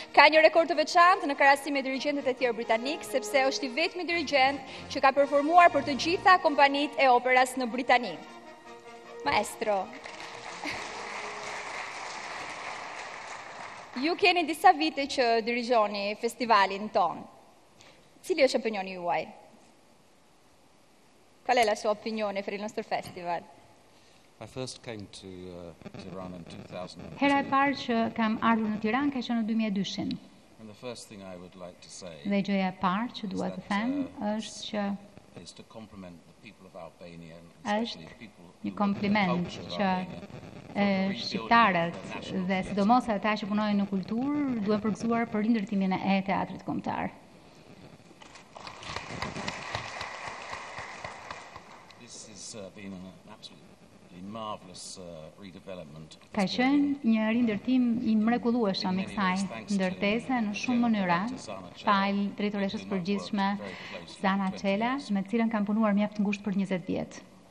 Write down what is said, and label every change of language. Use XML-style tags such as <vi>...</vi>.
<sq>Ka një rekord të veçantë në krahasim me dirigjentët e tjerë britanik sepse është i vetmi dirigjent që ka performuar për të gjitha kompanitë e operas në Britani. Maestro. Ju keni disa vite që dirigjoni festivalin ton. Cili është opinioni juaj?</sq> <it>Qual è la sua opinione per il nostro festival?</it> <en>I first came to Tirana in 2002.</en> <sq>Hera e parë që kam ardhur në Tiranë ka qenë në 2002-shin.</sq> <en>And the first thing I would like to say.</en> <sq>Dhe gjëja e parë që dua të them është që</sq> <en>is to compliment the people of Albania and especially the people who compliment</en> <sq>që shqiptarët dhe sidomos ata që punojnë në kulturë duhen përgëzuar për ndërtimin e teatrit kombëtar.</sq> <en>This has been an absolutely marvelous redevelopment.</en> <sq>Ka qenë një rindërtim I mrekullueshëm I kësaj ndërtese në shumë mënyra. Fal drejtoreshës përgjithshme Zana Çela, me të cilën kam punuar mjaft ngushtë për 20 vjet.</sq>